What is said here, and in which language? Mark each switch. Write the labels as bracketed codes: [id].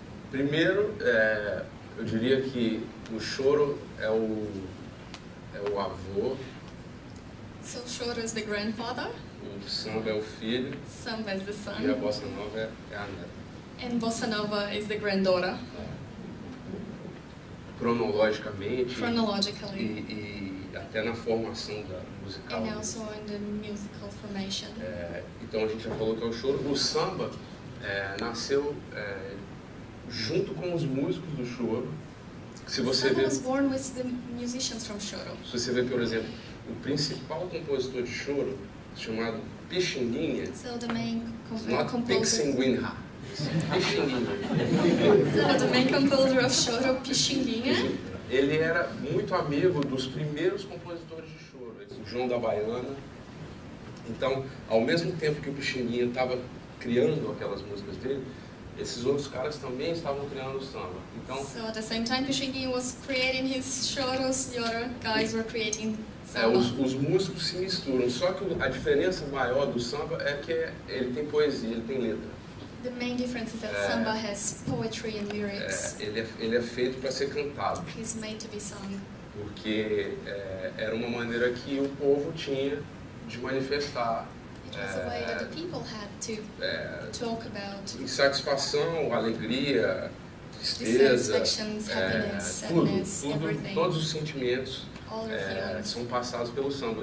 [pt] Primeiro, eu diria que o choro é o avô. [en] So choro is the grandfather. [pt] O samba é o filho. [en] Samba is the son. [pt] E a bossa nova é a neta. [en] And bossa nova is the granddaughter. [pt] Cronologicamente. [en] Chronologically. [pt] E até na formação da musical. [en] And also in the musical formation. [pt] Então a gente já falou que é o choro. O samba nasceu junto com os músicos do choro. Se você ver, [en] was born with the musicians from choro. [pt] Se você ver, por exemplo, o principal compositor de choro, chamado Pixinguinha. [en] So the main Pixinguinha. Pixinguinha. So the main composer of choro, Pixinguinha. [pt] Ele era muito amigo dos primeiros compositores de choro, o João da Baiana. Então, ao mesmo tempo que o Pixinguinha estava criando aquelas músicas dele, esses outros caras também estavam criando o samba. Então, [en] so at the same time Pixinguinha was creating his choros, the other guys were creating samba. [pt] Os músicos se misturam, só que a diferença maior do samba é que ele tem poesia, ele tem letra. [en] The main difference is that samba has poetry and lyrics. [pt] Ele é feito para ser cantado. [en] He's made to be sung. [pt] Porque era uma maneira que o povo tinha de manifestar. [en] as a way that the people had to talk about [pt] insatisfação, alegria, tristeza, tudo, todos os sentimentos são passados pelo samba.